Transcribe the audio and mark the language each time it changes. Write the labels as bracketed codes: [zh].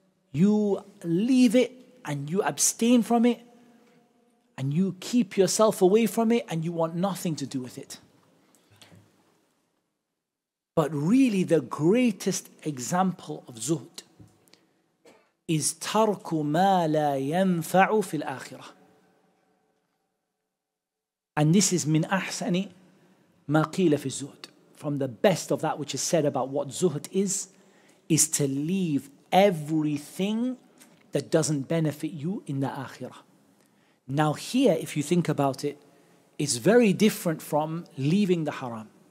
[en] You leave it and you abstain from it, and you keep yourself away from it, and you want nothing to do with it. But really the greatest example of zuhd is [ar] تَرْكُ مَا لَا يَنْفَعُ فِي الْآخِرَةِ. [en] And this is [ar] مِنْ أَحْسَنِ مَا قِيلَ فِي الزُّهْدِ. [en] From the best of that which is said about what zuhd is to leave everything that doesn't benefit you in the akhirah. Now here, if you think about it, it's very different from leaving the haram.